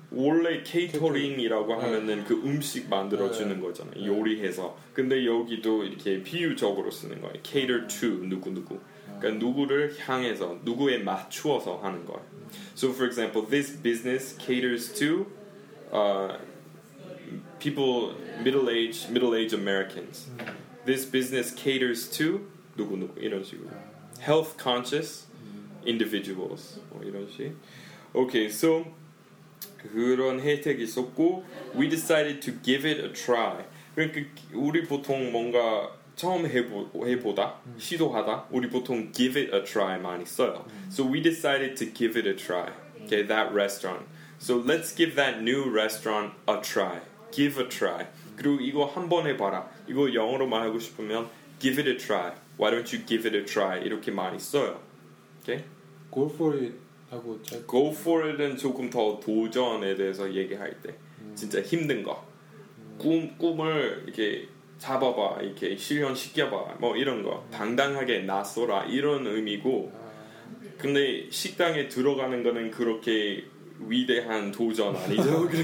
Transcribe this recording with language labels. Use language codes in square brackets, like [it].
[ko] 원래 케이터링이라고 하면은 그 음식 만들어주는 거잖아요. 요리해서. 근데 여기도 이렇게 비유적으로 쓰는 거예요. [en] Cater to [ko] 누구누구. 그러니까 누구를 향해서 누구에 맞추어서 하는 거예요. [en] So for example, this business caters to people middle-aged Americans. This business caters to [ko] 누구누구 이런 식으로. [en] Health conscious individuals [ko] 뭐 이런 식. [en] Okay, so [ko] 그런 혜택이 있었고 [en] we decided to give it a try. [ko] 그러니까 우리 보통 뭔가 처음 해보다 시도하다 우리 보통 [en] give it a try [ko] 많이 써요. [en] So we decided to give it a try. Okay, that restaurant. So let's give that new restaurant a try. Give a try. [ko] 그리고 이거 한번 해봐라. 이거 영어로 말하고 싶으면 [en] give it a try. Why don't you give it a try? [ko] 이렇게 많이 써요. [en] Okay? Go for it. Go for it [ko] 은 조금 더 도전에 대해서 얘기할 때 진짜 힘든 거 꿈을 이렇게 잡아봐 이렇게 실현시켜봐 뭐 이런 거 당당하게 나서라 이런 의미고 근데 식당에 들어가는 거는 그렇게 위대한 도전 아니죠?